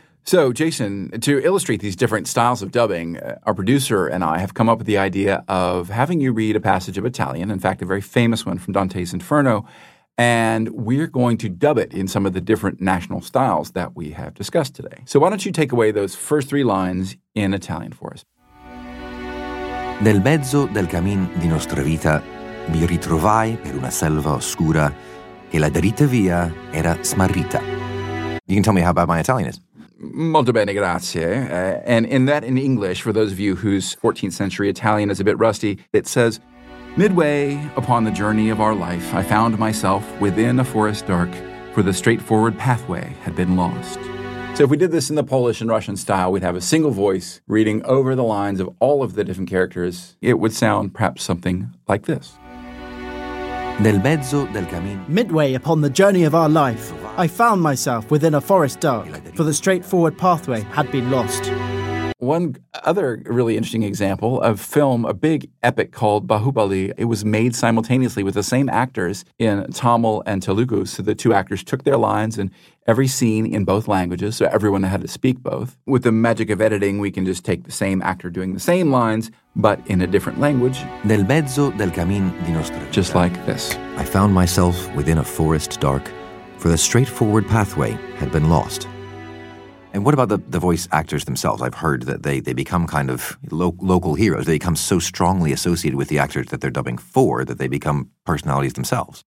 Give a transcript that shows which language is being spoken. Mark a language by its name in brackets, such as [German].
[English] So, Jason, to illustrate these different styles of dubbing, our producer and I have come up with the idea of having you read a passage of Italian, in fact, a very famous one from Dante's Inferno, and we're going to dub it in some of the different national styles that we have discussed today. So why don't you take away those first three lines in Italian for us? [Italian] Nel mezzo del cammin di nostra vita mi ritrovai per una selva oscura che la dritta via era smarrita. [English] You can tell me how bad my Italian is. [Italian] Molto bene, grazie. [English] And in that, in English, for those of you whose 14th century Italian is a bit rusty, it says, midway upon the journey of our life, I found myself within a forest dark, for the straightforward pathway had been lost. So if we did this in the Polish and Russian style, we'd have a single voice reading over the lines of all of the different characters. It would sound perhaps something like this. [Italian] Nel mezzo del cammin. [English] Midway upon the journey of our life, I found myself within a forest dark, for the straightforward pathway had been lost. One other really interesting example of film, a big epic called Bahubali, it was made simultaneously with the same actors in Tamil and Telugu. So the two actors took their lines in every scene in both languages, so everyone had to speak both. With the magic of editing, we can just take the same actor doing the same lines, but in a different language. [Italian] Nel mezzo del cammin di nostra vita. [English] Just like this. I found myself within a forest dark, for the straightforward pathway had been lost. And what about the voice actors themselves? I've heard that they become kind of local heroes. They become so strongly associated with the actors that they're dubbing for that they become personalities themselves.